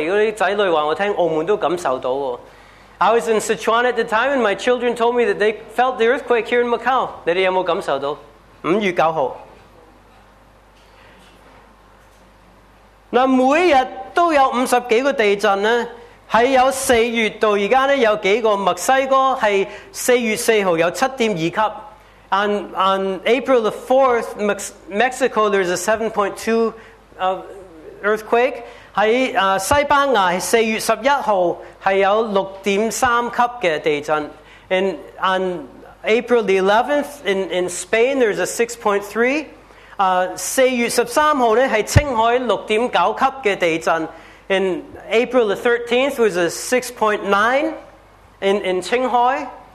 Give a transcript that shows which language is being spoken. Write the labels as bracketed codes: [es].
[zh] 我在四川的时候,当我回来,那些子女告诉我,澳门都感受到哦。 [en] I was in Sichuan at the time, and my children told me that they felt the earthquake here in Macau. [zh] 你们有没有感受到?5月9号. 那每天都有50几个地震呢?在4月到现在有几个墨西哥, 是4月4号有7.2级。 [en] On April the 4th, Mexico, there's a 7.2 earthquake. [zh] 在西班牙,4月11号,是有6.3级的地震. [en] And on April the 11th, in Spain, there's a 6.3. [zh] 4月13号,是青海6.9级的地震. [en] And April the 13th, was a 6.9 in Qinghai.